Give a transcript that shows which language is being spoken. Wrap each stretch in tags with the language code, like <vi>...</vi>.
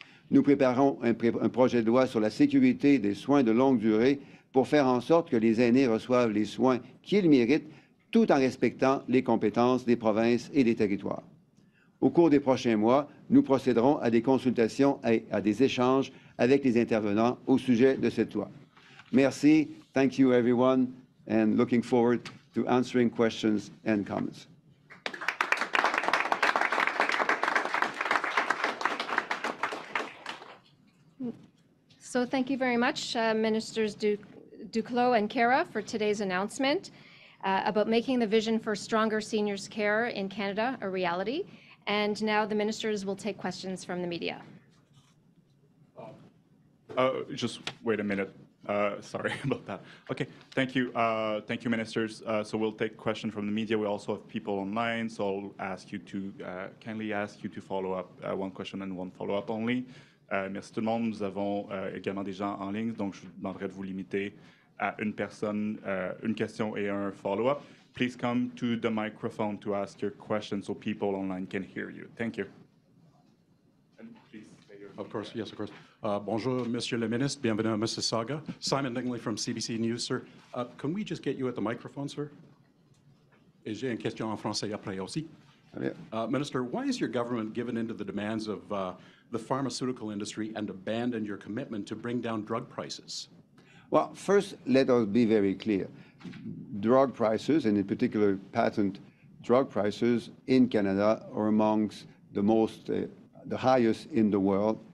<fr>Nous préparons un projet de loi sur la sécurité des soins de longue durée pour faire en sorte que les aînés reçoivent les soins qu'ils méritent, tout en respectant les compétences des provinces et des territoires. Au cours des prochains mois, nous procéderons à des consultations et à des échanges avec les intervenants au sujet de cette loi. Merci.</fr> <en>Thank you, everyone, and looking forward to answering questions and comments. So thank you very much, Ministers Duclos and Khera, for today's announcement about making the vision for stronger seniors care in Canada a reality. And now the ministers will take questions from the media. Just wait a minute. Sorry about that. Okay, thank you. Thank you, ministers. So we'll take questions from the media. We also have people online, so I'll ask you to kindly ask you to follow up one question and one follow-up only.</en> <fr>Merci tout le monde. Nous avons également des gens en ligne, donc je vous demanderai de vous limiter à une personne, une question et un follow-up.</fr> <en>Please come to the microphone to ask your question so people online can hear you. Thank you. And please say your name. Of course, yes, of course.</en> <fr>Bonjour, Monsieur le Ministre. Bienvenue à Mississauga.</fr> <en>Simon Lingley from CBC News, sir. Can we just get you at the microphone, sir?</en> <fr>Et j'ai une question en français après aussi.</fr> <en>Minister, why is your government given into the demands of the pharmaceutical industry and abandon your commitment to bring down drug prices? Well, first, let us be very clear. Drug prices, and in particular patent drug prices in Canada, are amongst the highest in the world,</en>